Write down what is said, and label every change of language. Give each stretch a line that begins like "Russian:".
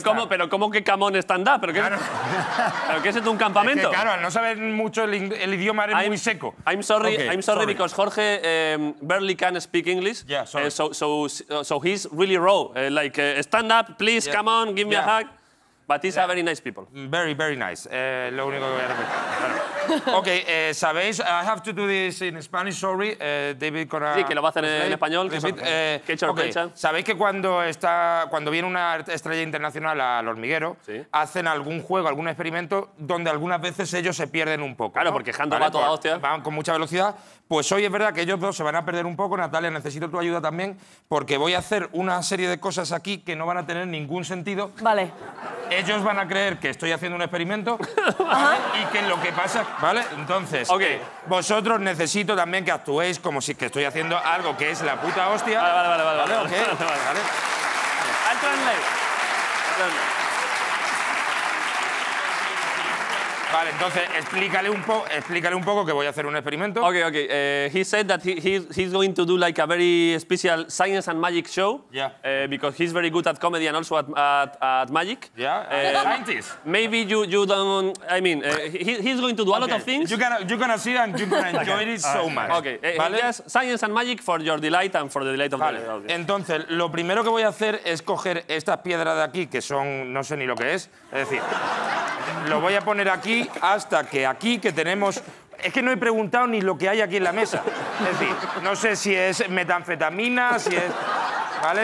English: cómo, star.
Spanish: Pero ¿cómo que
English: come on stand up?
Spanish: ¿Pero qué, claro. ¿Pero qué es esto, un campamento? Es que, claro, al no saber mucho el idioma eres muy seco.
English: I'm sorry, okay, I'm sorry, because Jorge barely can speak English. Yeah, sorry. So he's really raw. Stand up, please, yeah. Come on, give me yeah. a hug. But these are very nice people. Very, very nice.
Spanish: Lo único que voy a repetir.
English: Okay, sabéis, I have to do this in Spanish, sorry.
Spanish: David, con sí, que lo va a hacer en español. Que he okay. Sabéis que cuando viene una estrella internacional al Hormiguero, ¿sí? Hacen algún juego, algún experimento, donde algunas veces ellos se pierden un poco. Claro, ¿no? Porque Jando, ¿vale? Va toda hostia. Van con mucha velocidad. Pues hoy es verdad que ellos dos se van a perder un poco. Natalia, necesito tu ayuda también, porque voy a hacer una serie de cosas aquí que no van a tener ningún sentido. Vale. Ellos van a creer que estoy haciendo un experimento y que lo que pasa... ¿Vale? Entonces, okay. Vosotros necesito también que actuéis como si que estoy haciendo algo que es la puta hostia. Vale, vale, vale. ¿Vale? ¿Vale? Okay. Vale. ¿Vale?
English: I'll translate.
Spanish: Vale, entonces explícale un poco que voy a hacer un experimento.
English: Okay, okay. He said that he's going to do like a very special science and magic show. Yeah. Because he's very good at comedy and also at magic. Yeah. Scientist. Maybe you don't. I mean, he's going to do okay. a lot of things. You're gonna see and you're gonna enjoy okay. it so much. Okay. ¿Vale? Yes. Science and magic for your delight and for the delight of
Spanish: vale.
English: the audience.
Spanish: Entonces, lo primero que voy a hacer es coger estas piedras de aquí que son no sé ni lo que es. Es decir, lo voy a poner aquí. Hasta que aquí que tenemos... Es que no he preguntado ni lo que hay aquí en la mesa. Es decir, no sé si es metanfetamina, si es... ¿Vale?